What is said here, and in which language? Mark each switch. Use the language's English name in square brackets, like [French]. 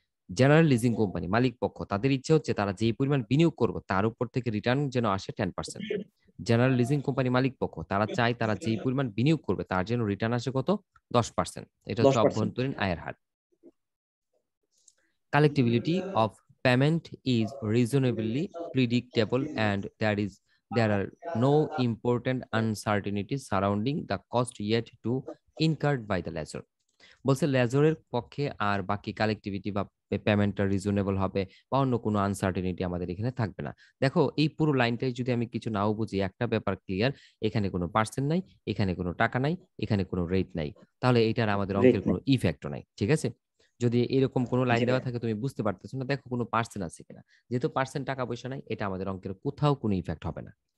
[Bangla] General leasing company মালিক পক্ষ তাদের ইচ্ছে হচ্ছে তারা যে পরিমাণ বিনিয়োগ করবে তার উপর থেকে রিটার্ন যেন আসে 10%। জেনারেল লিজিং কোম্পানি মালিক পক্ষ তারা চায় তারা যে পরিমাণ বিনিয়োগ করবে তার জন্য রিটার্ন আসে কত? 10%। এটা হচ্ছে অভ্যন্তরীণ আয়ের হার। [English] Collectibility of payment is reasonably predictable and that is there are no important uncertainties surrounding the cost yet to incurred by the lessor. [Bangla] বলছে লেজরের পক্ষে আর বাকি কালেক্টিভিটি বা পেমেন্টটা রিজনেবল হবে বা অন্য কোনো আনসার্টিনিটি আমাদের এখানে থাকবে না দেখো এই পুরো লাইনটাই যদি আমি কিছু নাও বুঝি একটা ব্যাপার ক্লিয়ার এখানে কোনো পার্সেন্ট নাই এখানে কোনো টাকা নাই এখানে কোনো রেট নাই তাহলে এটার আমাদের অঙ্কের কোনো ইফেক্টও নাই ঠিক আছে যদি এরকম কোনো লাইন দেওয়া থাকে তুমি বুঝতে পারতেছো না দেখো কোনো পার্সেন্ট আছে কিনা যেহেতু পার্সেন্ট টাকা পয়সা নাই এটা আমাদের অঙ্কের কোথাও কোনো ইফেক্ট হবে না